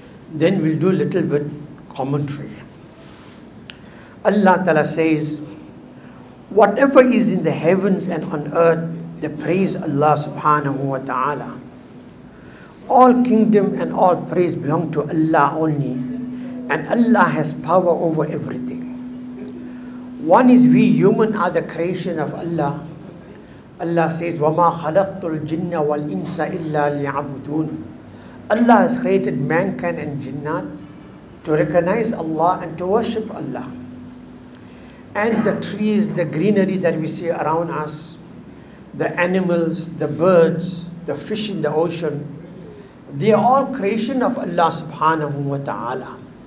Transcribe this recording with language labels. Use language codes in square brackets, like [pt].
[en] Then we'll do a little bit commentary. Allah Ta'ala says, whatever is in the heavens and on earth, they praise Allah subhanahu wa ta'ala. All kingdom and all praise belong to Allah only, and Allah has power over everything. One is, we human are the creation of Allah. Allah says, [ar] وَمَا خَلَقْتُ الْجِنَّ وَالْإِنسَ إِلَّا لِيَعْبُدُونَ. [en] Allah has created mankind and jinnat to recognize Allah and to worship Allah. And the trees, the greenery that we see around us, the animals, the birds, the fish in the ocean, they are all creation of Allah subhanahu wa ta'ala.